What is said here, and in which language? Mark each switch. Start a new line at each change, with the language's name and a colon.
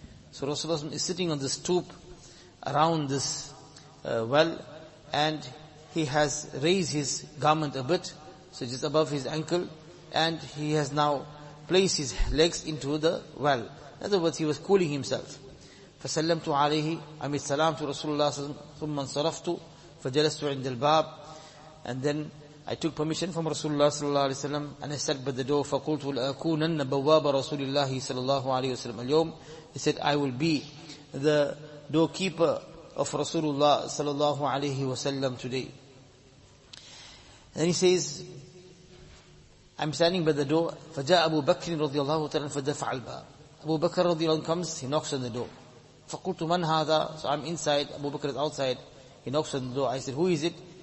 English: So Rasulullah is sitting on the stoop around this well, and he has raised his garment a bit, so just above his ankle, and he has now placed his legs into the well. In other words, he was cooling himself.
Arabic: فَسَلَّمْتُ عَلَيْهِ,
English: I made salam to Rasulullah sallallahu alayhi wa sallam,
Arabic: ثُمَّ انصَرَفْتُ فَجَلَسْتُ عِنْدَ الْبَابِ,
English: and then I took permission from Rasulullah sallallahu alayhi wa sallam, and I sat by the door.
Arabic: فَقُلْتُ لَأَكُونَنَّ بَوَّابَ رَسُولِ اللَّهِ sallallahu alayhi wa sallam اليوم.
English: He said, I will be the doorkeeper of Rasulullah sallallahu alayhi wa sallam today. Then he says, I'm standing by the door.
Arabic: فَجَاءَ أَبُو بَكْرٍ رَضِيَ اللَّهُ تَعَالَىٰ فَدَفَعَ الْبَابِ.
English: Abu Bakr radiyallahu anhu comes, he knocks on the door.
Arabic: فَقُلْتُ مَنْ هَذَا,
English: so I'm inside, Abu Bakr is outside, he knocks on the door, I said, who is it?